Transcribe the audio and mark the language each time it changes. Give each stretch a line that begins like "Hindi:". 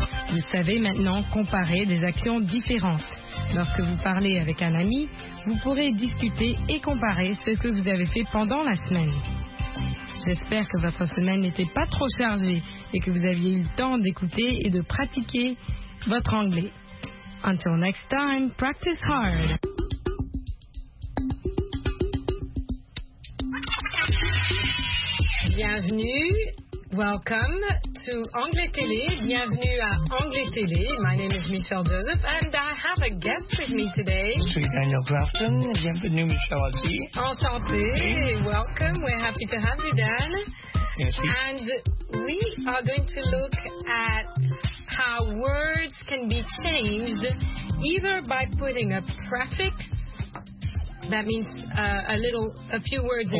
French: Vous savez maintenant comparer des actions différentes. Lorsque vous parlez avec un ami, vous pourrez discuter et comparer ce que vous avez fait pendant la semaine. J'espère que votre semaine n'était pas trop chargée et que vous aviez eu le temps d'écouter et de pratiquer votre anglais.
English: Until next time, practice hard.
French: Bienvenue.
English: Welcome to Anglais Télé.
French: Bienvenue à Anglais Télé.
English: My name is Michelle Joseph, and I have a guest with me today.
French: Je suis Daniel Clapton. Bienvenue, Michelle aussi. Enchanté.
English: Welcome. We're happy to have you, Dan.
French: Merci.
English: And we are going to look at how words can be changed, either by putting a prefix, that means a few words